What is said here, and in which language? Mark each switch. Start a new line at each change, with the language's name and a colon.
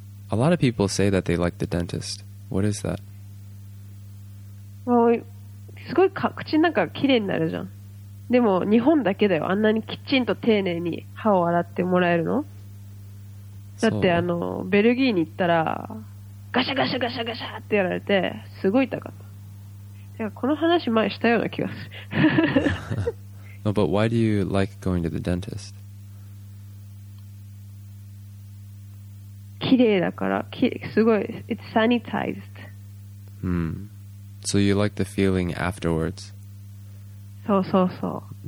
English: A lot of people say that they like the dentist. What is that?
Japanese: もうすごい口の中きれいになるじゃん。でも日本だけだよ。あんなにきちんと丁寧に歯を洗ってもらえるの？だってベルギーに行ったら。ガシャガシャガシャガシャってやられてすごい痛かった。てかこの話前したような気がする。
English: No, but why do you like going to the dentist?
Japanese: 綺麗だから、すごい。
English: It's sanitized. So you like the feeling afterwards?
Japanese: そうそうそう。